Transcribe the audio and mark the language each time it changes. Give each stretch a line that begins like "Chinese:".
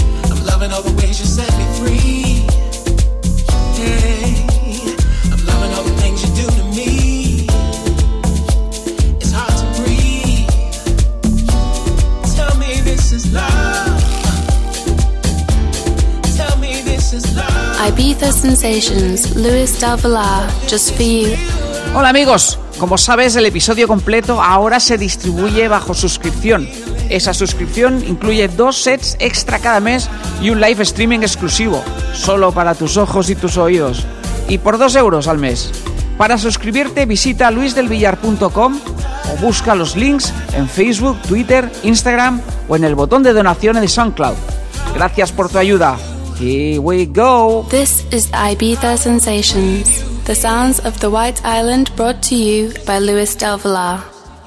English: I'm loving all the ways you set me free. Hey, I'm loving all the things you do to me. It's hard to breathe. Tell me this is love. Tell me this is love. Ibiza Sensations, Luis Del Villar, just for you.
Spanish: Hola amigos, como sabes, el episodio completo ahora se distribuye bajo suscripción. Esa suscripción incluye dos sets extra cada mes y un live streaming exclusivo, solo para tus ojos y tus oídos, y por 2 euros al mes. Para suscribirte visita luisdelvillar.com o busca los links en Facebook, Twitter, Instagram o en el botón de donaciones de SoundCloud. Gracias por tu ayuda.
English: Here we go. This is Ibiza Sensations, the sounds of the White Island, brought to you by Luis Del Villar.